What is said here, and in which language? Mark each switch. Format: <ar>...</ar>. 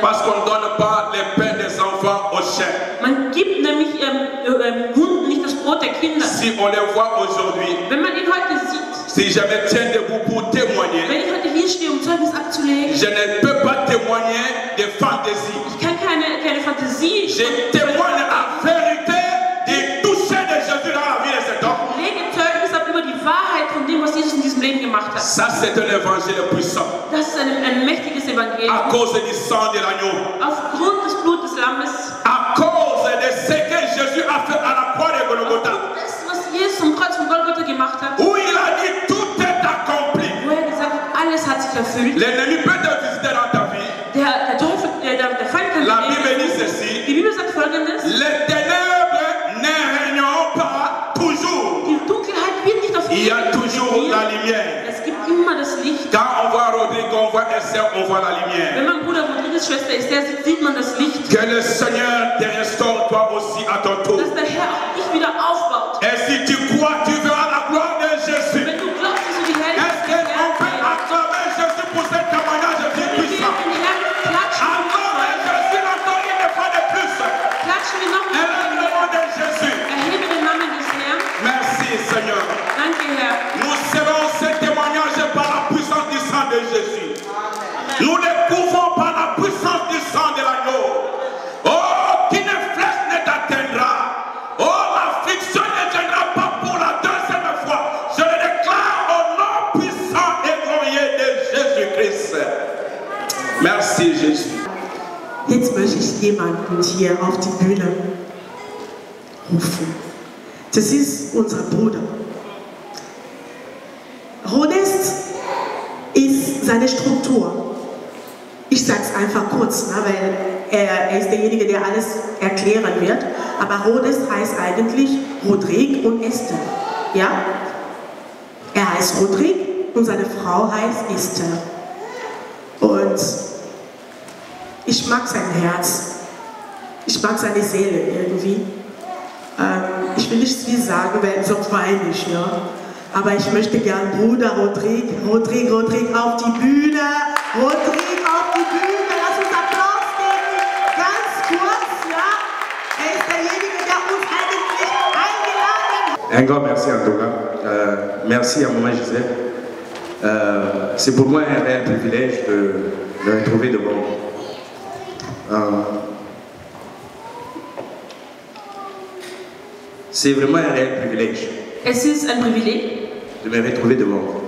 <fr>Parce qu'on ne donne pas le pain des enfants aux chiens.</fr> <de>Man gibt nämlich Hunden nicht das Brot der Kinder.</de> <fr>Si on les voit aujourd'hui.</fr> <de>Wenn man ihn heute sieht.</de> <fr>Si je me tiens debout pour témoigner.</fr> <de>Wenn ich heute hier stehe, um Zeugnis abzulegen.</de> <fr>Je ne peux pas témoigner de fantaisie.</fr> <de>Ich kann keine Fantasie.</de> <fr>Je témoigne la vérité du toucher de Jésus dans la vie de cet homme.</fr> <de>Wahrheit von dem, was Jesus in diesem Leben gemacht hat.</de> <fr>Ça, c'est un évangile puissant.</fr> <de>Das ist ein mächtiges Evangelium.</de> <fr>À cause du sang de l'agneau.</fr> <de>Aufgrund des Blutes des Lammes.</de> <fr>À cause de ce que Jésus a fait à la croix de Golgotha.</fr> <de>Das, was Jesus am Kreuz von Golgotha gemacht hat.</de> <fr>Où il a dit, tout est accompli.</fr> <de>Wo er gesagt hat, alles hat sich erfüllt.</de> <fr>L'ennemi peut te visiter dans ta vie.</fr> <de>Der Feind kann</de> <fr>la Bible dit ceci.</fr> <de>Die Bibel sagt folgendes.</de> <fr>Les ténèbres ne régneront pas toujours. Il y a toujours la lumière.</fr> <de>Es gibt immer das Licht.</de> <fr>Quand on voit Rodrigue, on voit Esther, on voit la lumière.</fr> <de>Wenn man Bruder Rodrigue, Schwester Esther sieht, sieht man das Licht.</de> <fr>Que le Seigneur te restaure toi aussi à ton tour.</fr> <de>Dass der Herr auch dich wieder aufbaut.</de> <fr>Et si tu crois, tu verras la gloire de Jésus.</fr> <de>Wenn du glaubst, dass du die Herrlichkeit des Herrn sehen.</de> <fr>Est-ce qu'on peut acclamer Jésus pour cet témoignage de puissant? Acclamer Jésus encore une fois de plus.</fr> <de>Klatschen wir noch mal. Erhebe den Namen de Jésus. Erhebe den Namen des Herrn.</de> <fr>Merci Seigneur. Nous serons ce témoignage par la puissance du sang de Jésus. Amen. Nous le pouvons par la puissance du sang de l'agneau. Oh, qu'une flèche ne t'atteindra. Oh, la friction ne viendra pas pour la deuxième fois. Je le déclare au nom puissant et glorieux de Jésus-Christ. Merci Jésus.</fr> <de>Jetzt möchte ich jemanden hier auf die Bühne rufen. Das ist unser Bruder. Honest ist seine Struktur. Ich sage es einfach kurz, ne, weil er ist derjenige, der alles erklären wird. Aber Honest heißt eigentlich Rodrig und Esther. Ja? Er heißt Rodrig und seine Frau heißt Esther. Und ich mag sein Herz. Ich mag seine Seele irgendwie. Ich will nichts viel sagen, weil sonst weine ich, ja. Aber ich möchte gern Bruder Rodrig, Rodrig, Rodrig auf die Bühne. Rodrig auf die Bühne, lass uns Applaus geben. Ganz kurz, ja. Er ist derjenige, der uns eigentlich eingeladen hat. Ein</de> <fr>grand merci, Antoine. Merci à Maman Gisèle. C'est pour moi un réel privilège de me retrouver devant vous. C'est vraiment un réel privilège.</fr> <de>Es ist ein Privileg.</de> <fr>De me retrouver devant vous.</fr>